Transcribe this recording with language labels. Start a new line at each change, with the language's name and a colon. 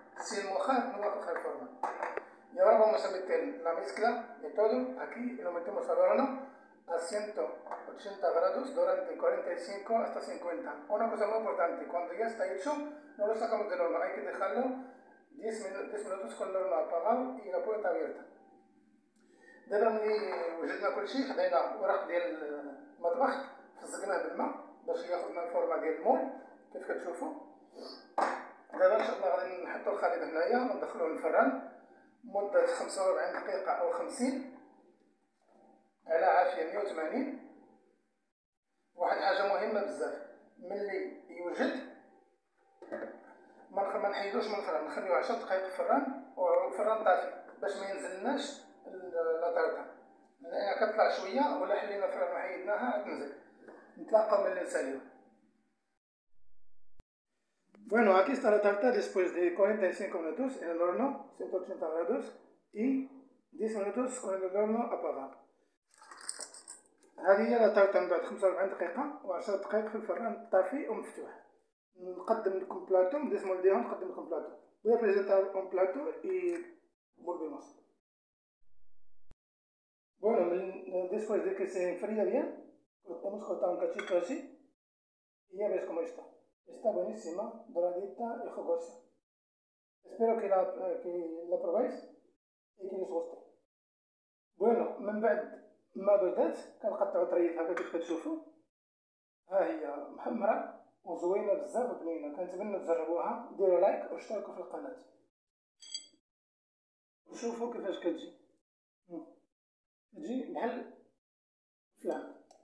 Spanish: Sin mojar no va a coger forma. Y ahora vamos a meter la mezcla de todo aquí y lo metemos al horno a 180 grados durante 45 hasta 50. Una cosa muy importante, cuando ya está hecho no lo sacamos del horno, hay que dejarlo 10 minutos con el horno apagado y la puerta abierta.
Arabic: دابا ملي وجدنا كلشي خدينا ورق ديال المطبخ فزقناه بالماء باش ياخذ من الفورما ديال المول كيف كتشوفوا. دابا ان شاء الله غادي نحطو الخليط هنايا وندخلوه للفران مدة 45 دقيقة او 50 على عافية 180. واحد الحاجة مهمة بزاف، ملي يوجد ما نحيدوش من الفران، نخليو 10 دقائق في الفران وفران طافي باش ما ينزلناش لا تارتا، لأنها كتطلع شوية ولا حلينا الفران وحيدناها تنزل. نتلاقاو ملي نساليو.
Spanish: Bueno, aquí está la tarta después de 45 minutos en el horno, 180 grados, y 10 minutos con el horno apagado.
Arabic: هذه هي لا تارتا من بعد 45 دقيقة و 10 دقائق في الفران طافي ومفتوح. نقدم لكم بلاتو، ندسمو لديهم نقدم لكم بلاتو.
Spanish: Voy a presentar un plato y volvemos. Bueno, después de que se enfría bien, lo hemos cortado un cachito así y ya ves cómo está. Está buenísima, doradita y jugosa. Espero que la probéis y que os guste. Bueno,
Arabic: ومن بعد ما بدات كنقطعوا طريف هكا كتشوفوا ها هي محمره وزوينه بزاف وبنينه. كنتمنى تجربوها، ديروا لايك واشتركوا في القناه وشوفوا كيفاش كتجي. تجي بحال فلان.